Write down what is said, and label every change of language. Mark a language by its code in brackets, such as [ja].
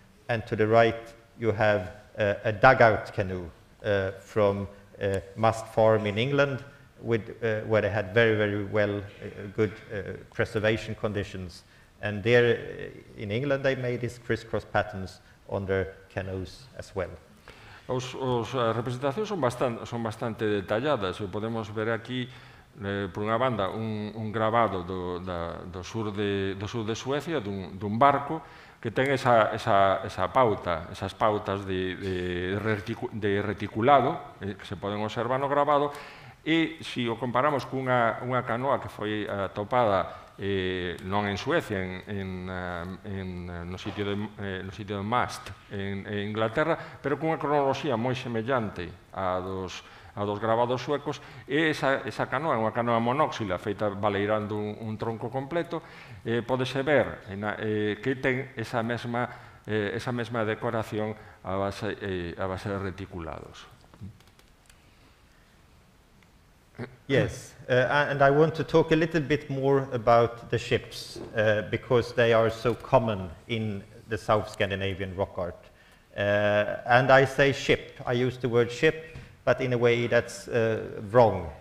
[en] And to the right, you have a dugout canoe from Must Farm in England, where they had very, very well, good preservation conditions. And there in England, they made these crisscross patterns on their canoes as well. [gl] As representacións son bastante detalladas. Podemos ver aquí, por unha banda, un gravado do sur de Suecia, dun barco, que ten esas pautas de reticulado, que se poden observar no gravado. E se o comparamos cunha canoa que foi atopada non en Suecia, no sitio de Mast, en Inglaterra, pero cunha cronoloxía moi semellante a dos gravados suecos, e esa canoa é unha canoa monóxila feita baleirando un tronco completo, podese ver que ten esa mesma decoración a base de reticulados. [en] Yes, and I want to talk a little bit more about the ships because they are so common in the South Scandinavian rock art. And I say ship, I use the word ship, but in a way that's wrong.